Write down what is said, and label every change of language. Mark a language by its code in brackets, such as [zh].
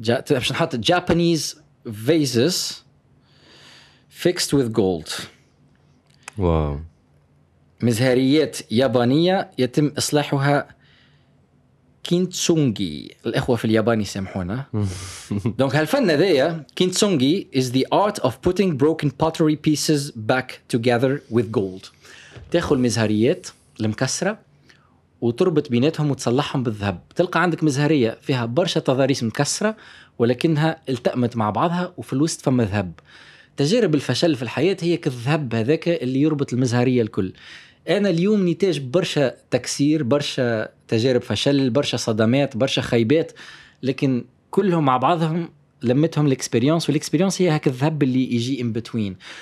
[ar] باش نحط [en] Japanese vases fixed with gold, wow, [ar] مزهريات يابانيه يتم اصلاحها كينتسونغي. الأخوة في الياباني سامحونا. دونك هالفن [en] The kintsugi is the art of putting broken pottery pieces back together with gold. [ar] تاخذ المزهريات المكسرة وتربط بيناتهم وتصلحهم بالذهب، تلقى عندك مزهرية فيها برشة تضاريس مكسرة ولكنها التأمت مع بعضها وفي الوسط فما ذهب. تجارب الفشل في الحياة هي كالذهب هذاك اللي يربط المزهرية الكل. أنا اليوم نتاج برشة تكسير، برشة تجارب فشل، برشة صدمات، برشة خيبات، لكن كلهم مع بعضهم لمتهم الإكسبرينس، والإكسبرينس هي هك الذهب اللي يجي إن بتوين.